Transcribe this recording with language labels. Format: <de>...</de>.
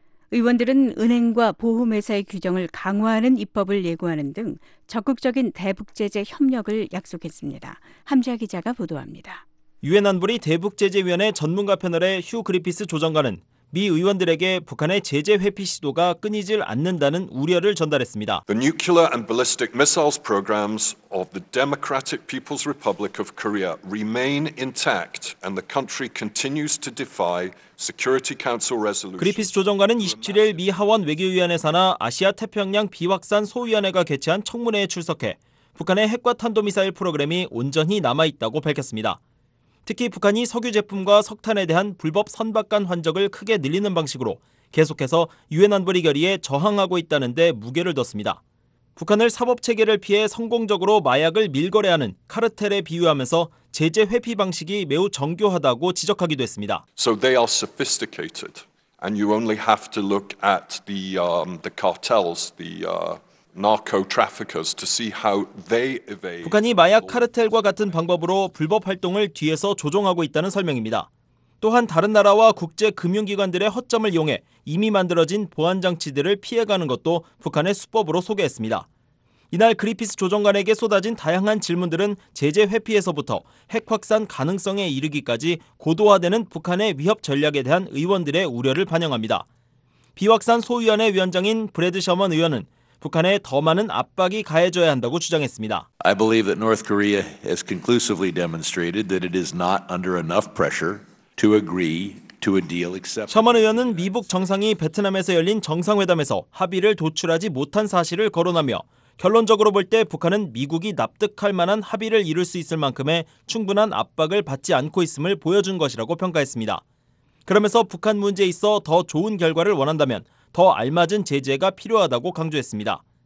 <ko>의원들은 은행과 보험회사의 규정을 강화하는 입법을 예고하는 등 적극적인 대북제재 협력을 약속했습니다. 함지아 기자가 보도합니다. 유엔 안보리 대북제재위원회 전문가 패널의 휴 그리피스 조정관은 미 의원들에게 북한의 제재 회피 시도가 끊이질 않는다는 우려를 전달했습니다.</ko> <en>The nuclear and ballistic missiles programs of the Democratic People's Republic of Korea remain intact and the country continues to defy Security Council resolution.</en> <ko>그리피스 조정관은 27일 미 하원 외교위원회 산하 아시아 태평양 비확산 소위원회가 개최한 청문회에 출석해 북한의 핵과 탄도미사일 프로그램이 온전히 남아있다고 밝혔습니다. 특히 북한이 석유 제품과 석탄에 대한 불법 선박 간 환적을 크게 늘리는 방식으로 계속해서 유엔 안보리 결의에 저항하고 있다는 데 무게를 뒀습니다. 북한을 사법 체계를 피해 성공적으로 마약을 밀거래하는 카르텔에 비유하면서 제재 회피 방식이 매우 정교하다고 지적하기도 했습니다.</ko> <en>So they are sophisticated and you only have to look at the cartels, narco traffickers to see how they evade.</en> <ko>북한이 마약 카르텔과 같은 방법으로 불법 활동을 뒤에서 조종하고 있다는 설명입니다. 또한 다른 나라와 국제 금융 기관들의 허점을 이용해 이미 만들어진 보안 장치들을 피해 가는 것도 북한의 수법으로 소개했습니다. 이날 그리피스 조정관에게 쏟아진 다양한 질문들은 제재 회피에서부터 핵 확산 가능성에 이르기까지 고도화되는 북한의 위협 전략에 대한 의원들의 우려를 반영합니다. 비확산 소위원회 위원장인 브래드 셔먼 의원은 북한에 더 많은 압박이 가해져야 한다고 주장했습니다.</ko> <en>I believe that North Korea has conclusively demonstrated that it is not under enough pressure to agree to a deal except.</en> <ko>셔먼 의원은 미북 정상이 베트남에서 열린 정상회담에서 합의를 도출하지 못한 사실을 거론하며 결론적으로 볼 때 북한은 미국이 납득할 만한 합의를 이룰 수 있을 만큼의 충분한 압박을 받지 않고 있음을 보여준 것이라고 평가했습니다. 그러면서 북한 문제에 있어 더 좋은 결과를 원한다면 더 알맞은 제재가 필요하다고 강조했습니다.</ko>